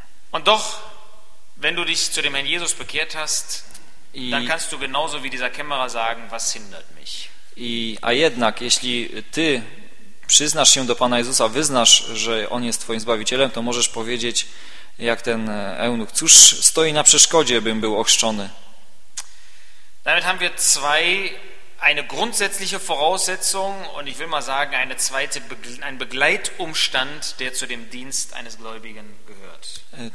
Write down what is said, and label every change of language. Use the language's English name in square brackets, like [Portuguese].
[German] Und doch, wenn du dich zu dem Herrn Jesus bekehrt hast, dann kannst du genauso wie dieser Kämmerer sagen, was hindert mich. [Polish] A jednak, jeśli ty przyznasz się do Pana Jezusa, wyznasz, że On jest Twoim Zbawicielem, to możesz powiedzieć, jak ten eunuch, cóż stoi na przeszkodzie, bym był ochrzczony. [German] Damit haben wir zwei, eine grundsätzliche Voraussetzung und ich will mal sagen, eine zweite, ein Begleitumstand, der zu dem Dienst eines Gläubigen gehört.